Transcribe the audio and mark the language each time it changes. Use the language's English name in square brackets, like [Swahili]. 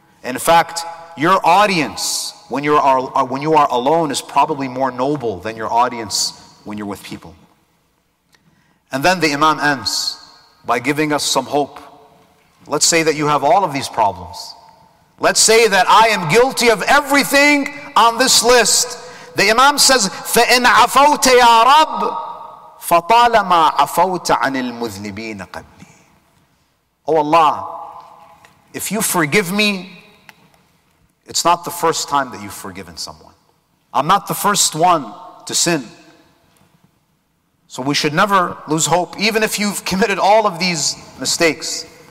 [English] And in fact, your audience when you are alone is probably more noble than your audience when you're with people. And then the Imam ends by giving us some hope. Let's say that you have all of these problems. Let's say that I am guilty of everything on this list. The Imam says, [Arabic] فَإِنْ عَفَوْتَ يَا رَبْ فَطَالَمَا عَفَوْتَ عَنِ الْمُذْنِبِينَ قَبْلِي. [English] Oh Allah, if you forgive me, it's not the first time that you've forgiven someone. I'm not the first one to sin. So we should never lose hope, even if you've committed all of these mistakes.